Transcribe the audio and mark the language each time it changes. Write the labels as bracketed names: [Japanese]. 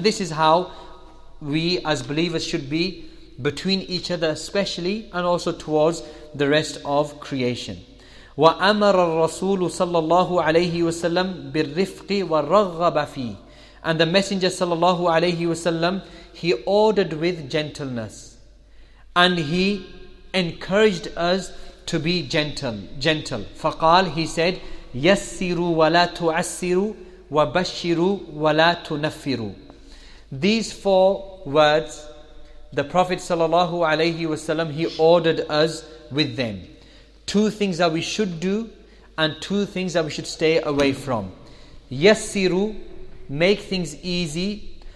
[English] And this is how we as believers should be between each other especially, and also towards the rest of creation. [Arabic] وَأَمَرَ الرَّسُولُ صَلَّى اللَّهُ عَلَيْهِ وَسَلَّمْ بِالرِّفْقِ وَرَغَّبَ فِيهِ, [English] and the Messenger sallallahu alayhi wasallam, he ordered with gentleness, and he encouraged us to be gentle. [Arabic] فَقَال, [English] he said, [Arabic] يَسِّرُوا وَلَا تُعَسِّرُوا وَبَشِّرُوا وَلَا تُنَفِّرُوا. [English] These four words, the Prophet sallallahu alayhi wasallam, he ordered us with them. Two things that we should do and two things that we should stay away from. Yassiru, make things easy.